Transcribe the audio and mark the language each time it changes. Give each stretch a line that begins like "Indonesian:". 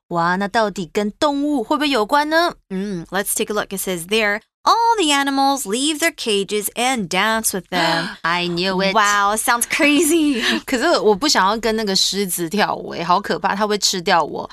Chinese: 哇，那到底跟动物会不会有关呢？
English: Let's take a look. It says there. All the animals leave their cages and dance with them. I knew it. Wow, sounds crazy.
Chinese: 可是我不想要跟那个狮子跳舞耶，好可怕，它会吃掉我。